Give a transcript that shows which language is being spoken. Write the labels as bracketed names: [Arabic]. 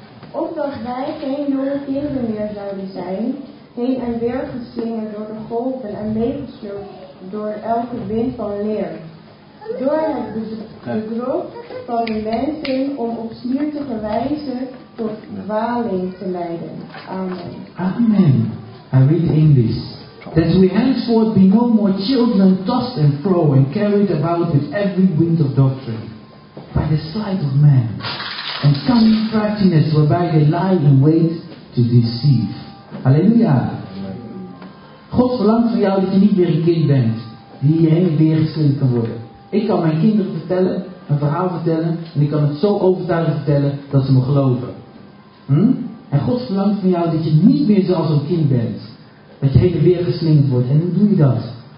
[Dutch] Opdat wij geen jonge kinderen meer zouden zijn, heen en weer geslingerd door de golven en meegesleurd door elke wind van leer. Door het bedrog van de mensen om op smertige wijze tot dwaling te leiden. Amen. [English] Amen. I read English. That we henceforth be no more children tossed and fro and carried about with every wind of doctrine, by the sleight of man. And some craftiness whereby they lie in wait to deceive. Halleluja. [Dutch] God verlangt voor jou dat je niet meer een kind bent. Die hierheen weer geslingerd kan worden. Ik kan mijn kinderen vertellen. Een verhaal vertellen. En ik kan het zo overtuigend vertellen dat ze me geloven. En God verlangt van jou dat je niet meer zoals een kind bent. Dat je heen weer geslingerd wordt. En hoe doe je dat?